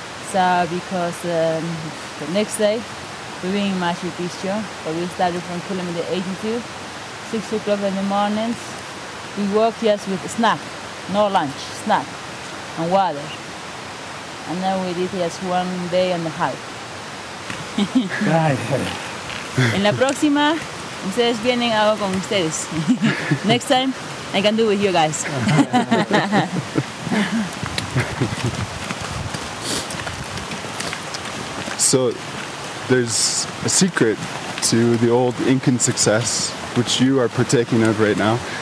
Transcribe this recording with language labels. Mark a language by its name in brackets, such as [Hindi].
[English] So because the next day, we were in Machu Picchu, but we started from kilometer 82, 6 o'clock in the morning. We worked, yes, with a snack, no lunch, snack, and water. And then we did, yes, 1 day and a half. [Spanish] En la próxima, ustedes vienen, hago con ustedes. [English] Next time, I can do with you guys. So, there's a secret to the old Incan success, which you are partaking of right now.